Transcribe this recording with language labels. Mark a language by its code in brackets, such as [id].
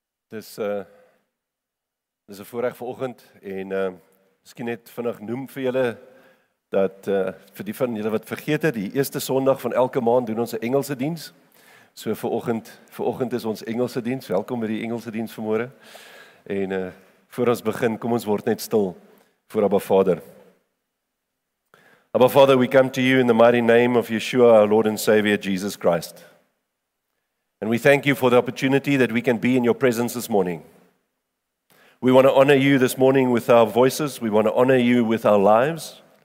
[af] Dis 'n voorreg vanoggend en miskien net vinnig noem vir julle dat vir die van julle wat vergeet het, die eerste Sondag van elke maand doen ons 'n Engelse diens. So vanoggend is ons Engelse diens. Welkom by die Engelse diens vanmôre. En voor ons begin, kom ons word net stil voor Abba Vader. [en] Abba Father, we come to you in the mighty name of Yeshua, our Lord and Savior Jesus Christ. And we thank you for the opportunity that we can be in your presence this morning. We want to honor you this morning with our voices. We want to honor you with our lives.